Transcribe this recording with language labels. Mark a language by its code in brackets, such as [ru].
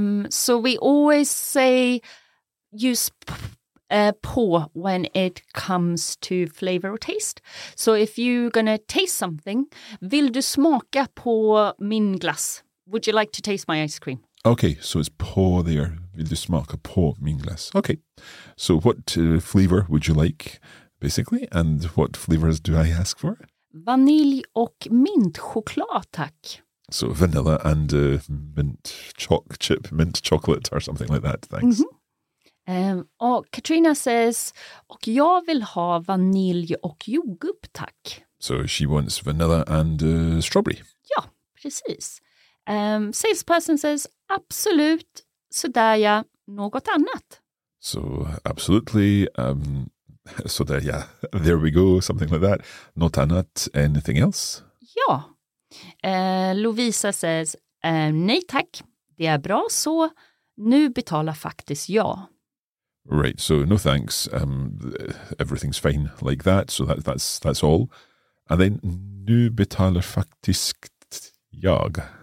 [en] so we always say use på when it comes to flavor or taste. So if you're going to taste something, [sv] vill du smaka på min glass? [en] Would you like to taste my ice cream? Okay, so it's på there. [sv] Vill du smaka på min glass? [en] Okay, so what flavor would you like, basically? And what flavors do I ask for? [sv] Vanilj och mint choklad, tack. [en] So vanilla and mint choc chip, mint chocolate or something like that. Thanks. Mm-hmm. [sv] Och Katrina says, och jag vill ha vanilj och jordgubb, tack. [en] So she wants vanilla and strawberry. [sv] Ja, precis. Salesperson says, absolut, sådär ja, något annat. [en] So absolutely, [sv] sådär ja, [en] there we go, something like that. [sv] Något annat, [en] anything else? [sv] Ja. Lovisa says, nej tack, det är bra så, nu betalar faktiskt jag. [en] Right, so no thanks, everything's fine like that, so that's all. And then, [sv] nu betalar faktiskt jag.